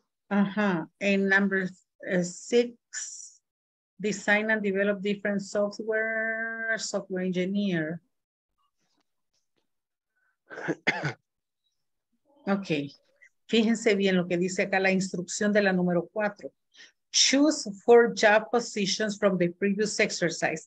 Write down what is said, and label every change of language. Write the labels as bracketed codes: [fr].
[en] Uh-huh. And number six, design and develop different software engineer. Okay. [es] Fíjense bien lo que dice acá la instrucción de la número cuatro. [en] Choose four job positions from the previous exercise.